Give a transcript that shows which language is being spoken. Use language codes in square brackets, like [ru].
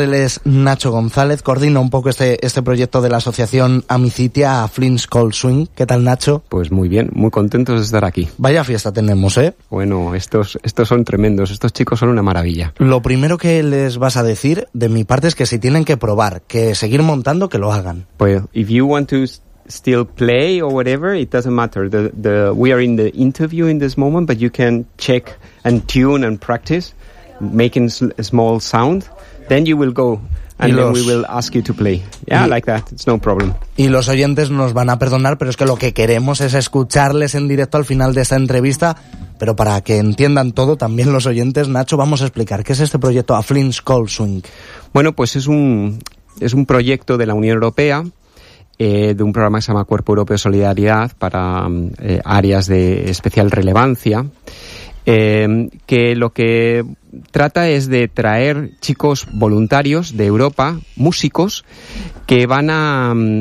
[es] Él es Nacho González. Coordina un poco este proyecto de la asociación Amicitia a Flint's Cold Swing. ¿Qué tal, Nacho? Pues muy bien. Muy contentos de estar aquí. Vaya fiesta tenemos, ¿eh? Bueno, estos son tremendos. Estos chicos son una maravilla. Lo primero que les vas a decir de mi parte es que si tienen que probar, que seguir montando, que lo hagan. Pues, [en] if you want to still play or whatever, it doesn't matter. The we are in the interview in this moment, but you can check and tune and practice making a small sound, then you will go and then we will ask you to play. Yeah, like that, it's no problem. [es] Y los oyentes nos van a perdonar, pero es que lo que queremos es escucharles en directo al final de esta entrevista. Pero para que entiendan todo también los oyentes, Nacho, vamos a explicar qué es este proyecto A Flint's Cold Swing. Bueno, pues es un proyecto de la Unión Europea, de un programa que se llama Cuerpo Europeo de Solidaridad para áreas de especial relevancia, que lo que trata es de traer chicos voluntarios de Europa, músicos, que van a